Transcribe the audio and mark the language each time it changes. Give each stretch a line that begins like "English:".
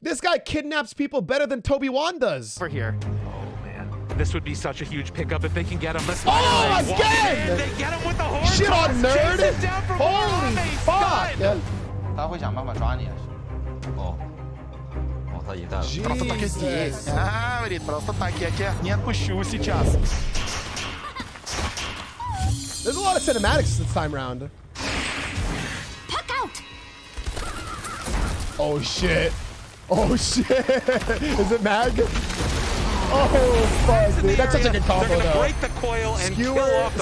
English: This guy kidnaps people better than Toby Wan does. For here. This would be such a huge pickup if they can get him. Let's oh, again! They get him with the horn. Shit on nerd! Holy fuck! He will find a way to catch you. Oh, he died. Just like this.
Russian: Говорит, просто так я тебя не отпущу сейчас.
English: There's a lot of cinematics this time round. Puck out! Oh shit! Oh shit! Is it Mag? Oh, fuck, dude. That's such a good combo, they're gonna break the coil and skewer, kill off the